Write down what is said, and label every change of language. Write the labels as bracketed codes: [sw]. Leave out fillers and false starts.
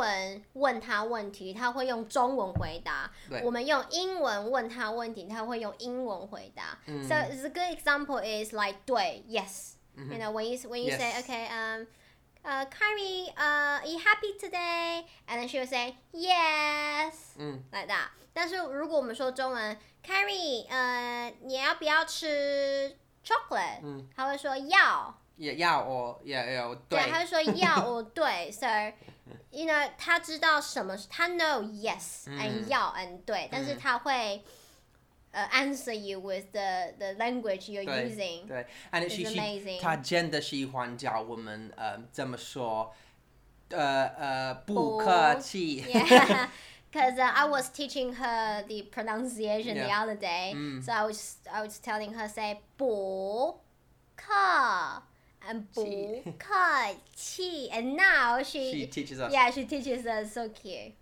[zh] 对,或是如果我们用中文问她问题, 她会用中文回答, 我们用英文问她问题, 她会用英文回答. [en] So the good example is, like, you know, when you say, okay, Kyrie, are you happy today? And then she will say, yes, like that. [zh] 但是如果我们说中文, Kyrie, 你要不要吃 chocolate? 她会说要. [en] Yeah, 要, or, yeah, yeah, [zh] 对.她会说要, or, 对. [en] So, you know, [zh] 她知道什么, 她 know yes, and 要, and 对. 但是她会, [en] answer you with the language you're [zh] 对, [en] using. [zh] 对, and [en] it's amazing. [zh] 她真的喜欢教我们, 怎么说, 不客气. [en] Yeah, because I was teaching her the pronunciation the other day. So I was telling her, say, 不客, and 不客气. And now she teaches us. Yeah, she teaches us, so cute.